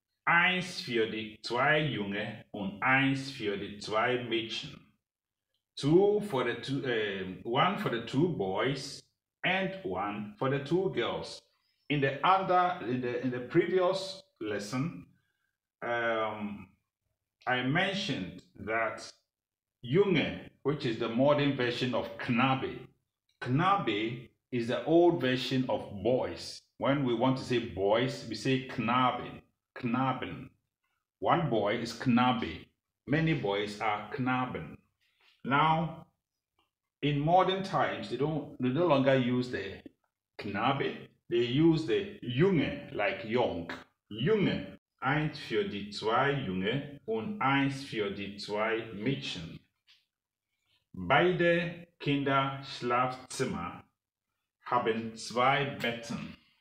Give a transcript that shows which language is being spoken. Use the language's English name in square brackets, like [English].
[German] Eins für die zwei Junge und eins für die zwei Mädchen. [English] One for the two boys and one for the two girls. In the previous lesson, I mentioned that Junge, which is the modern version of Knabe. Knabe is the old version of boys. When we want to say boys, we say Knaben. Knaben. One boy is Knabe. Many boys are Knaben. Now, in modern times, they no longer use the Knabe. They use the Junge, like young. Junge. [German] Eins für die zwei Junge und eins für die zwei Mädchen. Beide Kinderschlafzimmer haben zwei Betten.